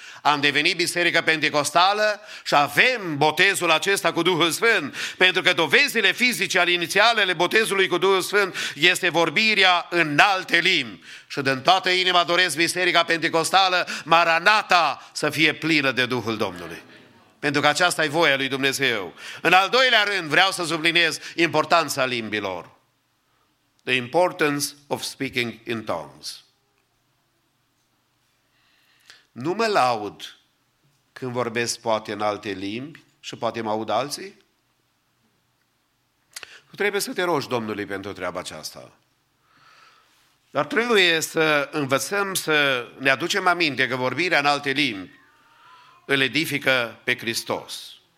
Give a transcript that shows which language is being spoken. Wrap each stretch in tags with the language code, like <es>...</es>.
<ro>Am devenit biserică pentecostală și avem botezul acesta cu Duhul Sfânt, pentru că dovezile fizice ale inițialele botezului cu Duhul Sfânt este vorbirea în alte limbi. Și din toată inima doresc biserica pentecostală Maranata să fie plină de Duhul Domnului. Pentru că aceasta e voia lui Dumnezeu. În al doilea rând, vreau să subliniez importanța limbilor.</ro> <en>The importance of speaking in tongues.</en> <ro>Nu mă laud când vorbesc poate în alte limbi și poate mă aud alții? Tu trebuie să te rogi Domnului pentru treaba aceasta. Dar trebuie să învățăm să ne aducem aminte că vorbirea în alte limbi îl edifică pe Hristos.</ro>